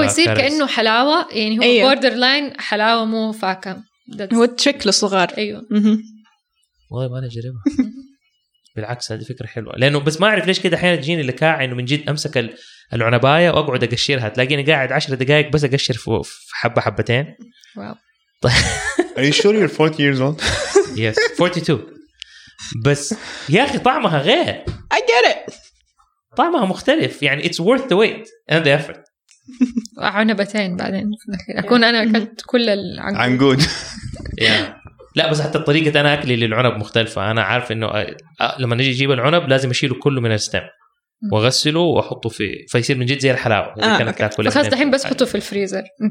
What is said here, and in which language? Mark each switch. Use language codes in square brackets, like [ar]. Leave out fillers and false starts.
[ar] هو يصير كأنه حلاوة يعني هو أيوه. border line حلاوة مو فاكهة. هو تشيك للصغار. أيوه. والله أنا أجربها. بالعكس هذه فكرة حلوة لأنه بس ما أعرف ليش كده أحيانا تجيني لكاع إنه من جد أمسك العنباية وأقعد أقشرها تلاقيني قاعد 10 دقائق بس أقشر في حبة حبتين. طيب. [en] Are you sure you're 40 years old? Yes, 42. [ar] بس يا أخي طعمها غير. [en] I get it. [ar] طعمها مختلف يعني [en] it's worth the wait and the effort. [ar] عنبتين بعدين أكون أنا أكلت كل العنقود. لا بس حتى طريقة أنا أكلي للعنب مختلفة. أنا عارف إنه لما نجي أجيب العنب لازم أشيله كله من الستم وأغسله وأحطه في فيصير من جد زي الحلاوة. بس خلاص الحين بس حطه في الفريزر.